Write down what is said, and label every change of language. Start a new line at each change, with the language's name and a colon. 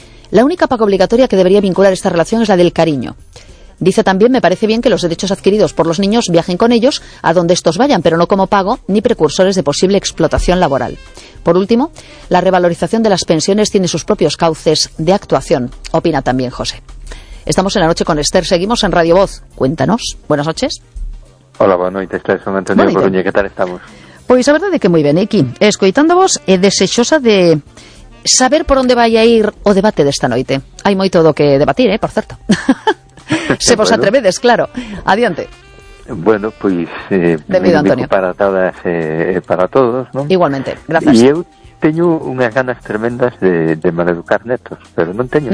Spanish: La única paga obligatoria que debería vincular esta relación es la del cariño. Dice también, me parece bien que los derechos adquiridos por los niños viajen con ellos a donde estos vayan, pero no como pago ni precursores de posible explotación laboral. Por último, la revalorización de las pensiones tiene sus propios cauces de actuación, opina también José. Estamos en la noche con Esther, seguimos en Radio Voz. Cuéntanos, buenas noches. Hola, buenas noches, Esther, soy Antonio Coruña, ¿qué tal estamos?
Galician: Pois a verdade é que moi ben, aquí, escoitando vos, é desexosa de saber por onde vai a ir o debate desta noite. Hai moito do que debatir, por certo. Se vos bueno. Atrevedes, claro. Adiante. Bueno, pois, benvido, Antonio.
Spanish: Para todas, para todos, ¿no? Igualmente, gracias.
Galician: E eu teño unhas ganas tremendas de maleducar netos, pero non teño.